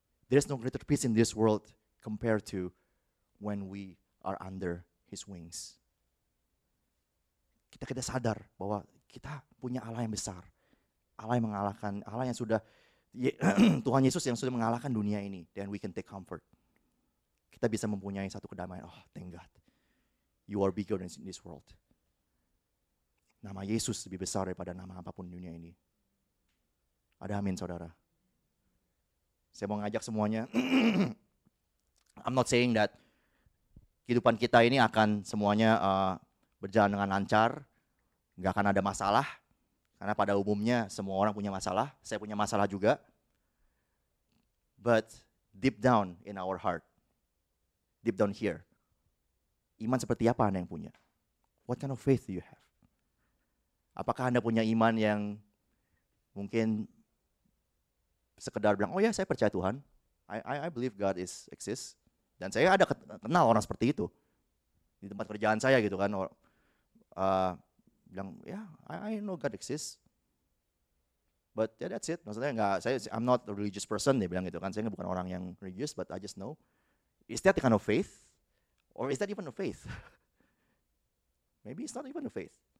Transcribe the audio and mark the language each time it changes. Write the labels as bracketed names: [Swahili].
[English] There is no greater peace in this world compared to when we are under His wings. [Indonesian] Kita sadar bahwa kita punya Allah yang besar, Allah yang mengalahkan, Allah yang sudah Tuhan Yesus yang sudah mengalahkan dunia ini. [English] Then we can take comfort. [Indonesian] Kita bisa mempunyai satu kedamaian. [English] Oh, thank God, You are bigger than this world. [Indonesian] Nama Yesus lebih besar daripada nama apapun di dunia ini. Ada amin, saudara. Saya mau ngajak semuanya. [English] I'm not saying that [Indonesian] kehidupan kita ini akan semuanya berjalan dengan lancar. Gak akan ada masalah. Karena pada umumnya semua orang punya masalah. Saya punya masalah juga. [English] But deep down in our heart. Deep down here. [Indonesian] Iman seperti apa Anda yang punya? [English] What kind of faith do you have? [Indonesian] Apakah Anda punya iman yang mungkin sekedar bilang, oh ya, saya percaya Tuhan. [English] I believe God is exist. [Indonesian] Dan saya ada kenal orang seperti itu. Di tempat kerjaan saya gitu kan. Bilang, [English] yeah, I know God exists. But yeah, that's it. [Indonesian] Maksudnya [English] I'm not a religious person, [Indonesian] dia bilang gitu kan. Saya bukan orang yang religious, [English] but I just know. Is that the kind of faith? Or is that even a faith? Maybe it's not even a faith.